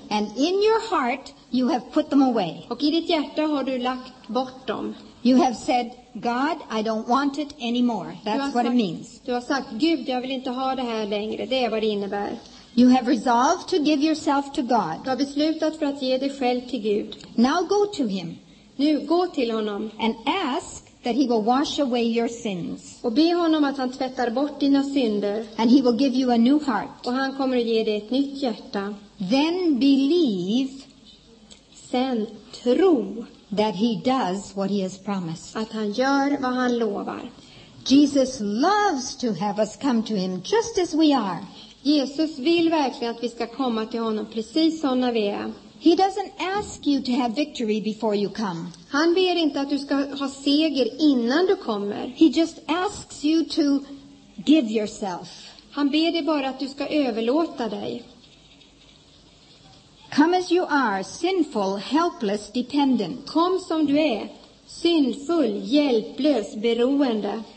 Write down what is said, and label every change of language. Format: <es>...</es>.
<en>And in your heart you have put them away.</en> <sv>Och i ditt hjärta har du lagt bort dem.</sv> <en>You have said, God, I don't want it anymore. That's what it means.</en> <sv>Du har sagt, Gud, jag vill inte ha det här längre. Det är vad det innebär.</sv> <en>You have resolved to give yourself to God.</en> <sv>Du har beslutat för att ge dig själv till Gud.</sv> <en>Now go to him.</en> <sv>Nu gå till honom.</sv> <en>And ask that he will wash away your sins.</en> <sv>Och be honom att han tvättar bort dina synder.</sv> <en>And he will give you a new heart.</en> <sv>Och han kommer att ge dig ett nytt hjärta.</sv> <en>Then believe.</en> <sv>Sen tro.</sv> <en>That he does what he has promised.</en> <sv>Att han gör vad han lovar.</sv> <en>Jesus loves to have us come to him just as we are.</en> <sv>Jesus vill verkligen att vi ska komma till honom precis såna vi är.</sv> <en>He doesn't ask you to have victory before you come.</en> <sv>Han ber inte att du ska ha seger innan du kommer.</sv> <en>He just asks you to give yourself.</en> <sv>Han ber dig bara att du ska överlåta dig.</sv> <en>Come as you are, sinful, helpless, dependent.</en> <sv>Kom som du är, syndfull, hjälplös, beroende.</sv>